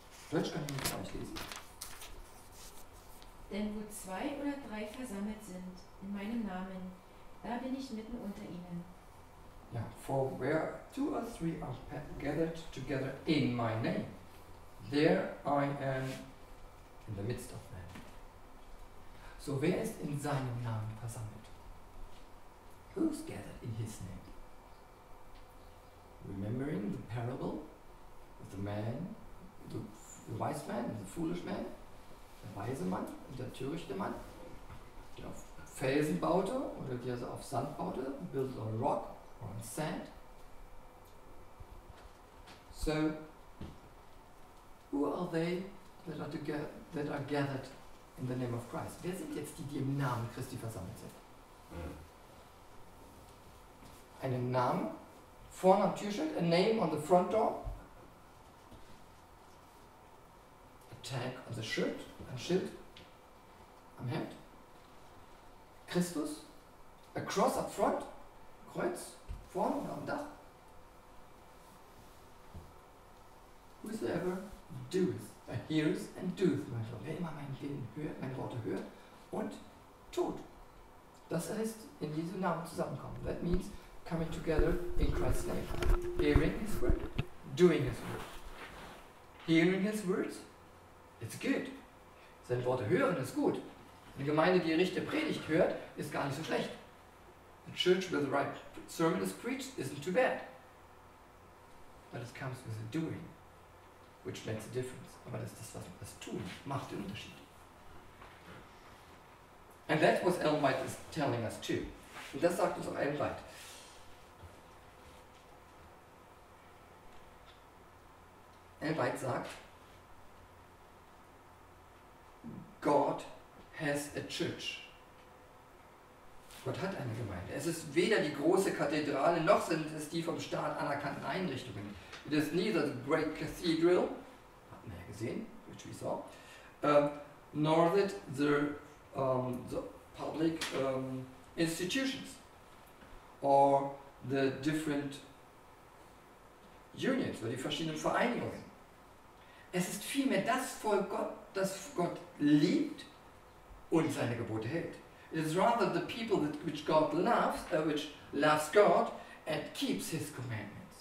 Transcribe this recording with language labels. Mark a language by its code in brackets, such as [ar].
[de] Deutsch kann ich nicht gleich lesen. Denn wo zwei oder drei versammelt sind in meinem Namen, da bin ich mitten unter ihnen. [en] Yeah, for where two or three are gathered together in my name, there I am in the midst of them. [de] So wer ist in seinem Namen versammelt? [en] Who's gathered in his name? Remembering the parable of the man, the wise man and the foolish man, [de] der weise Mann und der törichte Mann, der auf Felsen baute oder der auf Sand baute, [en] built on a rock, on sand. So, who are they that are gathered in the name of Christ? [de] Wer sind jetzt die im Namen Christi versammelt sind? Einen Namen vorne am Türschild, [en] a name on the front door, a tag on the shirt, [de] ein Schild am Hemd, Christus, [en] a cross up front, [de] Kreuz. Vorne oder am Dach? [en] Whosoever doeth, hears and doeth, mein Lord. [de] Wer immer meine Worte hört und tut. Das heißt, in diesem Namen zusammenkommen. [en] That means coming together in Christ's name. Hearing his word, doing his word. Hearing his words, it's good. [de] Seine Worte hören ist gut. Eine Gemeinde, die richtige Predigt hört, ist gar nicht so schlecht. [en] A church with the right sermon is preached isn't too bad. But it comes with the doing, which makes a difference. [de] Aber das ist das, was das Tun macht den Unterschied. [en] And that's what Ellen White is telling us too. [de] Und das sagt uns auch Ellen White. Ellen White sagt, [en] God has a church. [de] Gott hat eine Gemeinde. Es ist weder die große Kathedrale, noch sind es die vom Staat anerkannten Einrichtungen. [en] It is neither the great cathedral, [de] hatten wir ja gesehen, [en] which we saw, nor that the public institutions or the different unions [de] oder die verschiedenen Vereinigungen. Es ist vielmehr das Volk Gott, das Gott liebt und seine Gebote hält. [en] It is rather the people that which God loves, which loves God and keeps his commandments.